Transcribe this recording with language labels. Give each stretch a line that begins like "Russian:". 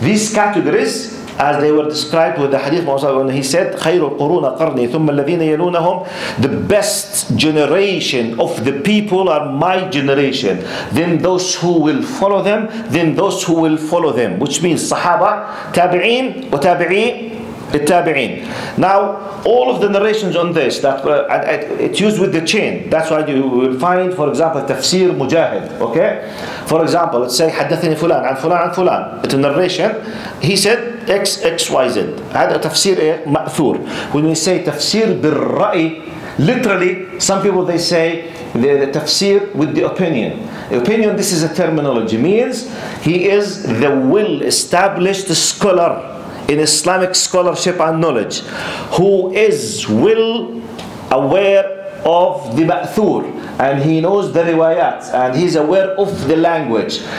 English: These categories as they were described with the hadith when he said
Arabic: khayrul quruna qarni thumma alladhina yalunahum,
English: the best generation of the people are my generation, then those who will follow them, then those who will follow them, which means sahaba tabi'in wa tabi'i التابعين. Now all of the narrations on this that it's used with the chain. That's why you will find, for example, تفسير مجاهد. Okay. For example, let's say
Arabic: حدثني فلان عن فلان عن فلان.
English: It's a narration. He said X X Y Z.
Arabic: هذا تفسير مأثور.
English: When we say تفسير بالرأي, literally some people they say the تفسير with the opinion. Opinion. This is a terminology. Means he is the well established scholar in Islamic scholarship and knowledge, who is well aware of the ma'thur, and he knows the riwayat, and he's aware of the language.